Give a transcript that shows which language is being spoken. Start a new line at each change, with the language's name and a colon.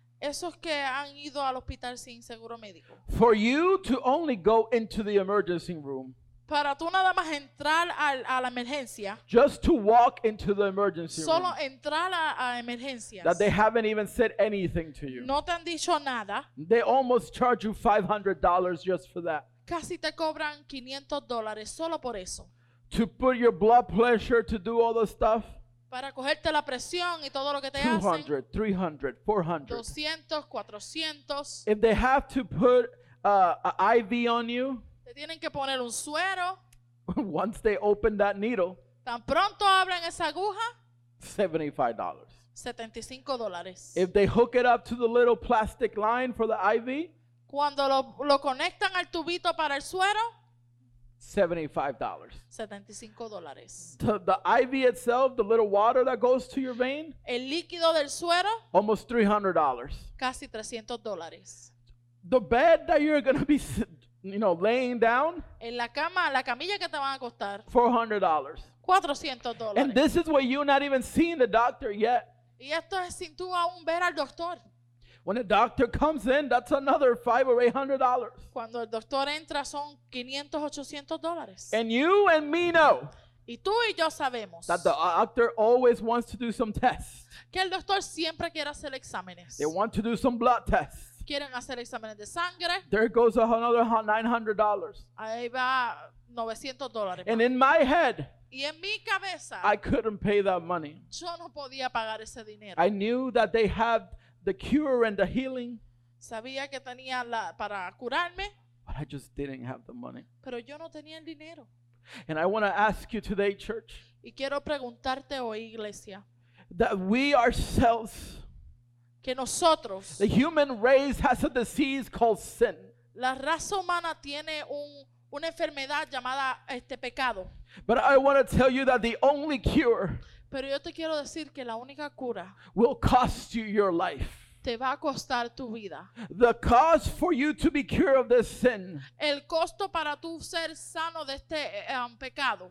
Spanish: Esos que han ido al hospital sin seguro médico.
English: For you to only go into the emergency room.
Spanish: Para tú nada más entrar a la emergencia.
English: Just to walk into the emergency
Spanish: solo Solo entrar a emergencias.
English: That they haven't even said anything to you.
Spanish: No te han dicho nada.
English: They almost charge you $500 just for that.
Spanish: Casi te cobran $500 solo por eso.
English: To put your blood pressure to do all the stuff.
Spanish: Para cogerte la presión y todo lo que te
English: 200,
Spanish: hacen.
English: 200, 300, 400.
Spanish: 200, 400.
English: If they have to put an IV on you.
Spanish: Tienen que poner un suero.
English: Once they open that needle,
Spanish: tan pronto abren esa aguja,
English: $75.
Spanish: $75.
English: If they hook it up to the little plastic line for the IV,
Spanish: cuando lo conectan al tubito para el suero,
English: $75.
Spanish: $75.
English: The IV itself, the little water that goes to your vein,
Spanish: el líquido del suero,
English: almost $300.
Spanish: Casi $300.
English: The bed that you're going to be laying down.
Spanish: En la cama, la camilla que te van a costar.
English: $400.
Spanish: $400.
English: And this is where you're not even seeing the doctor yet.
Spanish: Y esto es sin tú aún ver al doctor.
English: When the doctor comes in, that's another $500 or $800.
Spanish: Cuando el doctor entra, son $500-$800.
English: And you and me know.
Spanish: Y tú y yo sabemos.
English: That the doctor always wants to do some tests.
Spanish: Que el doctor siempre quiere hacer exámenes.
English: They want to do some blood tests.
Spanish: Quieren hacer exámenes de sangre.
English: There goes another $900.
Spanish: Ahí va $900.
English: And in my head,
Spanish: y en mi cabeza,
English: I couldn't pay that money.
Spanish: Yo no podía pagar ese dinero.
English: I knew that they had the cure and the healing.
Spanish: Sabía que tenía para curarme.
English: But I just didn't have the money.
Spanish: Pero yo no tenía el dinero.
English: And I want to ask you today, church.
Spanish: Y quiero preguntarte hoy, iglesia.
English: That we ourselves.
Spanish: Que nosotros,
English: the human race has a disease called sin.
Spanish: La raza humana tiene una enfermedad llamada pecado.
English: But I want to tell you that the only cure,
Spanish: pero yo te quiero decir que la única cura,
English: will cost you your life.
Spanish: te va a costar tu vida.
English: The cost for you to be cured of this sin.
Spanish: El costo para tú ser sano de este pecado.